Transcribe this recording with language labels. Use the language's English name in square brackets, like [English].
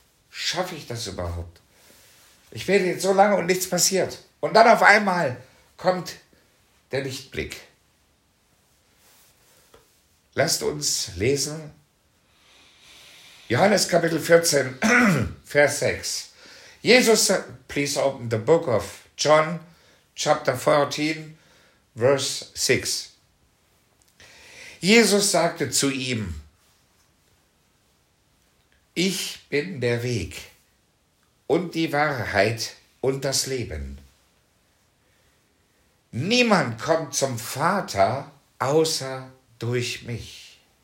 [German] Schaffe ich das überhaupt? Ich bete jetzt so lange und nichts passiert. Und dann auf einmal kommt der Lichtblick. Lasst uns lesen, Johannes Kapitel 14, Vers 6. [English] Jesus, please open the book of John, Chapter 14, Verse 6. [German] Jesus sagte zu ihm, ich bin der Weg und die Wahrheit und das Leben. Niemand kommt zum Vater außer durch mich.